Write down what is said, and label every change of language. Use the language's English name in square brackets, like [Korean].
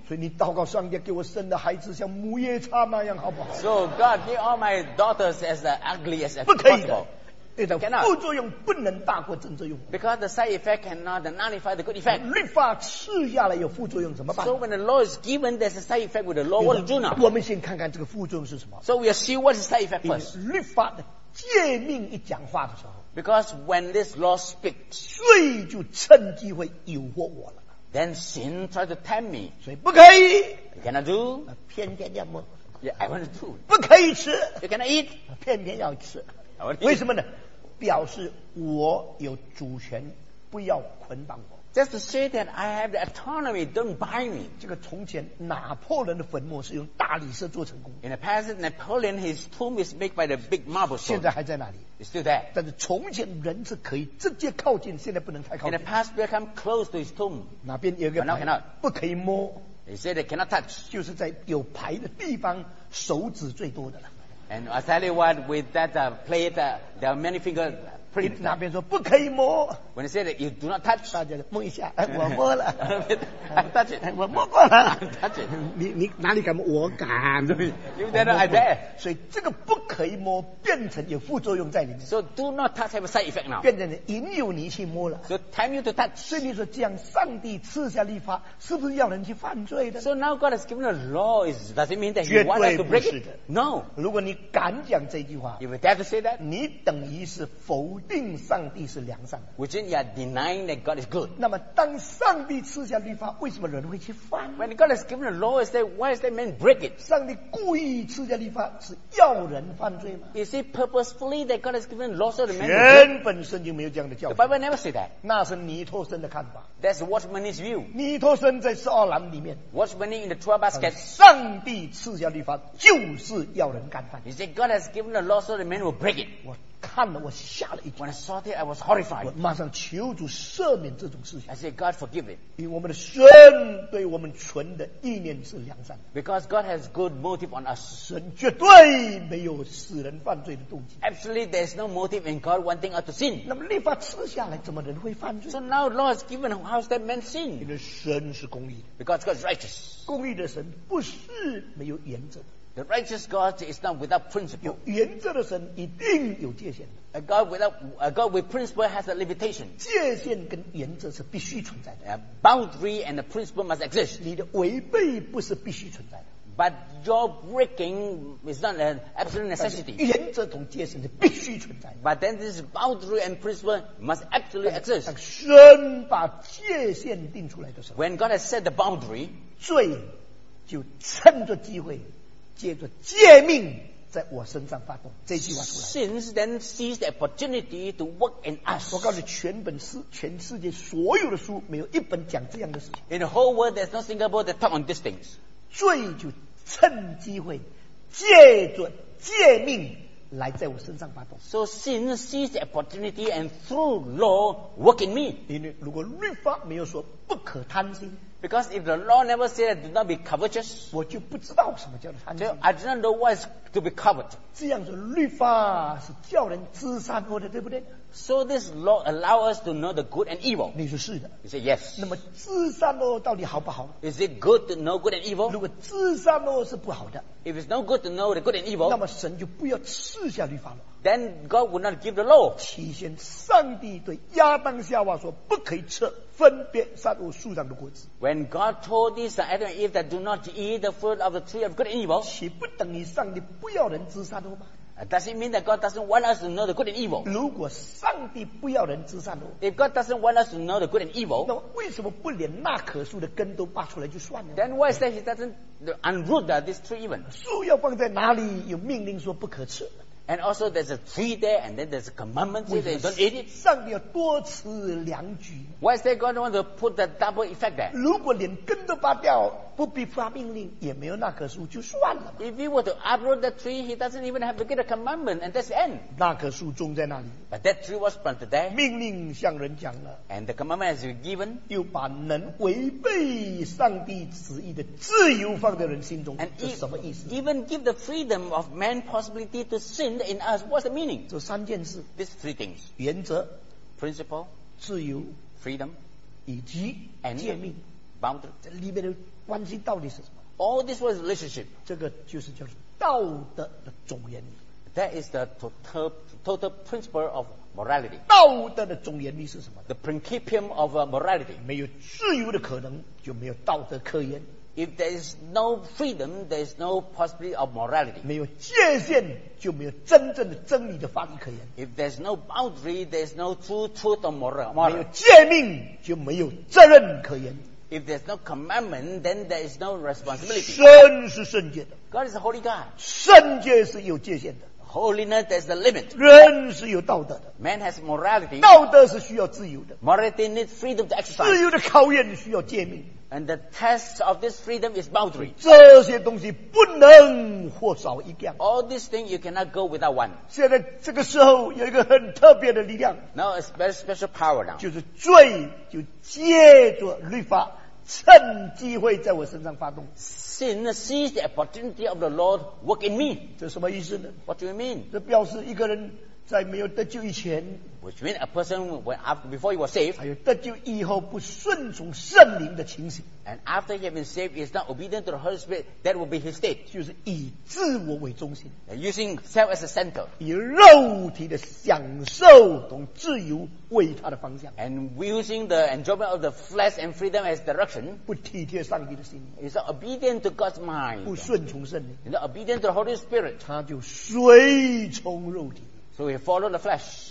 [Chinese] 所以你祷告上帝给我生的孩子像母夜叉那样，好不好 [English] ？So God give all my daughters as ugly as possible. [Chinese] 不可以的。副作用不能大过正作用 [English] Because the side effect cannot nullify the good effect [Chinese] 律法赐下来有副作用怎么办 [English] So when the law is given there's a side effect with the law What do you do now [Chinese] 我们先看看这个副作用是什么 [English] So we'll see what's the side effect first [Chinese] 律法的诫命一讲话的时候 [English] Because when this law speaks [Chinese] 罪就趁机会诱惑我了 [English] Then sin tries to tempt me [Chinese] 所以不可以 [English] You cannot do [Chinese] 偏偏要摸 [English] Yeah, I want to do [Chinese] 不可以吃 [English] You cannot eat [Chinese] 偏偏要吃 [English] I want to eat [Chinese] 为什么呢表示我有主权，不要捆绑我。 [English] Just to say that I have the autonomy, don't bind me. [Chinese] 这个从前拿破仑的坟墓是用大理石做成功。 [English] In the past, Napoleon his tomb is made by the big marble stone. [Chinese] 现在还在那里。 [English] It's still there. [Chinese] 但是从前人是可以直接靠近，现在不能太靠近。 [English] In the past, we come close to his tomb. [Chinese] 哪边有个牌？ [English] But now cannot. [Chinese] 不可以摸。 [English] He said they cannot touch. [Chinese] 就是在有牌的地方，手指最多的了。 [English] And I tell you what, with that plate, there are many fingers pretty. [Chinese] 那边说不可以摸。 [English] When you say that you do not touch, [Chinese] 大家摸一下，我摸了。 [English] I touch it, [Chinese] 我摸过了。 [English] I touch it, [Chinese] 你哪里敢摸？我敢。 [English] You dare, I dare. [Chinese] 所以这个不可以摸变成有副作用在里面。 [English] So do not touch have a side effect now. [Chinese] 变成引诱你去摸了。 [English] So tempt you to touch. [Chinese] 所以你说这样，上帝赐下律法是不是要人去犯罪的 [English] ？So now God has given the law. Does it mean that you want us to break it? No. [Chinese] 如果你敢讲这句话 [English] ，You would dare to say that? [Chinese] 你等于是否定上帝是良善的 [English] ，Which means you are denying that God is good. [Chinese] 那么当上帝赐下律法，为什么人会去犯 [English] ？When God has given the law, is that why is that man break it? [Chinese] 上帝故意赐下律法是要人犯罪吗 [English] ？Is it purposefully that God has given the law so the man? [Chinese] 原本圣经没有这样的教导 [English] ，The Bible never say that. [Chinese] 那是尼托生的看法 [English] ，That's Watchman's view. [Chinese] 尼托生在十二篮里面 [English] ，Watchman in the 12 basket. [Chinese] 上帝赐下律法就是要人干犯。 [English] He said, God has given the law so the man will break it. [Chinese] 我看了，我吓了一跳。 [English] When I saw that, I was horrified. [Chinese] 我马上求主赦免这种事情。 [English] I said, God forgive it. [Chinese] 因为我们的神对我们存的意念是良善。 [English] Because God has good motive on us. [Chinese] 神绝对没有使人犯罪的动机。 [English] Absolutely, there's no motive in God wanting us to sin. [Chinese] 那么律法赐下来，怎么人会犯罪？ [English] So now law is given, how's that man sin? [Chinese] 因为神是公义的。 [English] Because God is righteous. [Chinese] 公义的神不是没有原则。 [English] The righteous God is not without principle. [Chinese] 有原则的神一定有界限。 [English] A God with principle has a limitation. [Chinese] 界限跟原则是必须存在的。 [English] A boundary and a principle must exist. [Chinese] 你的违背不是必须存在的。 [English] But your breaking is not an absolute necessity. [Chinese] 原则同界限是必须存在的。 [English] But then this boundary and principle must actually exist. [Chinese] 当神把界限定出来的时候 [English] ，When God has set the boundary, [Chinese] 罪就趁着机会。借着诫命在我身上发动这句话出来 [English] Since then seize the opportunity to work in us [Chinese] 我告诉你全世界所有的书没有一本讲这样的事情 [English] In the whole world there's no Singapore that talk on these things [Chinese] 罪就趁机会借着诫命来在我身上发动 [English] So sin seize the opportunity and through law work in me [Chinese] 因为如果律法没有说不可贪心 [English] Because if the law never said that, do not be covetous, [Chinese] 我就不知道什么叫做贪心。 [English] So I do not know what is to be covered. [Chinese] 这样子律法是叫人知善恶的，对不对？ [English] So this law allows us to know the good and evil. [Chinese] 你说是的。 [English] You say yes. [Chinese] 那么知善恶到底好不好？ [English] Is it good to know good and evil? [Chinese] 如果知善恶是不好的， [English] If it's no good to know the good and evil, [Chinese] 那么神就不要赐下律法了。 [English] Then God would not give the law. [Chinese] 起先上帝对亚当夏娃说不可以吃分别善恶树上的果子。 [English] When God told this Adam and Eve that do not eat the fruit of the tree of good and evil, [Chinese] 岂不等于上帝不要人吃善恶吗？ [English] Does it mean that God doesn't want us to know the good and evil? [Chinese] 如果上帝不要人知善恶 [English] If God doesn't want us to know the good and evil, [Chinese] 那为什么不连那棵树的根都拔出来就算了 [English] Then why is that he doesn't unroot this tree even? [Chinese] 树要放在哪里有命令说不可吃 [English] And also there's a tree there and then there's a commandment say that you don't eat it. [Chinese] 上帝要多此两举 [English] Why is that God want to put the double effect there? [Chinese] 如果连根都拔掉不必发命令也没有那棵树就算了 [English] If he were to uproot the tree he doesn't even have to get a commandment and that's the end [Chinese] 那棵树种在那里 [English] But that tree was planted there [Chinese] 命令向人讲了 [English] And the commandment has been given [Chinese] 又把能违背上帝旨意的自由放在人心中 [English] And [Chinese] 这是什么意思 [English] Even give the freedom of man possibility to sin in us What's the meaning [Chinese] 这三件事 [English] These three things [Chinese] 原则 [English] Principle [Chinese] 自由 [English] Freedom [Chinese] 以及诫命 [English] Boundary [Chinese] 这里面的关系到底是什么 [English] ？All this was relationship. [Chinese] 这个就是叫道德的总原理。 [English] That is the total principle of morality. [Chinese] 道德的总原理是什么 [English] ？The principium of morality. [Chinese] 没有自由的可能，就没有道德可言。 [English] If there is no freedom, there is no possibility of morality. [Chinese] 没有界限，就没有真正的真理的法理可言。 [English] If there is no boundary, there is no true truth of morality. [Chinese] 没有诫命，就没有责任可言。 [English] If there's no commandment, then there is no responsibility. [Chinese] 神是圣洁的。 [English] God is a holy God. [Chinese] 圣洁是有界限的。 [English] Holiness, there's the limit. [Chinese] 人是有道德的。 [English] Man has morality. [Chinese] 道德是需要自由的。 [English] Morality needs freedom to exercise. [Chinese] 自由的考验需要诫命。 [English] And the test of this freedom is boundary. [Chinese] 这些东西不能或少一样。 [English] All these things you cannot go without one. [Chinese] 现在这个时候有一个很特别的力量。 [English] Now a very special power now. [Chinese] 就是罪就借着律法趁机会在我身上发动。 [English] Sin seize the opportunity of the Lord work in me. [Chinese] 这什么意思呢 [English] ？What do you mean? [Chinese] 这表示一个人。在没有得救以前 [English] ，which means a person when after before he was saved， [Chinese] 还有得救以后不顺从圣灵的情形 [English] ，and after he has been saved is not obedient to the Holy Spirit， that will be his state， [Chinese] 就是以自我为中心 [English] and ，using self as a center， [Chinese] 以肉体的享受同自由为他的方向 [English] ，and using the enjoyment of the flesh and freedom as direction， [Chinese] 不体贴上帝的心 [English] ，is not obedient to God's mind， [Chinese] 不顺从圣灵 [English] ，is not obedient to the Holy Spirit， [Chinese] 他就随从肉体。 [English] So he followed the flesh.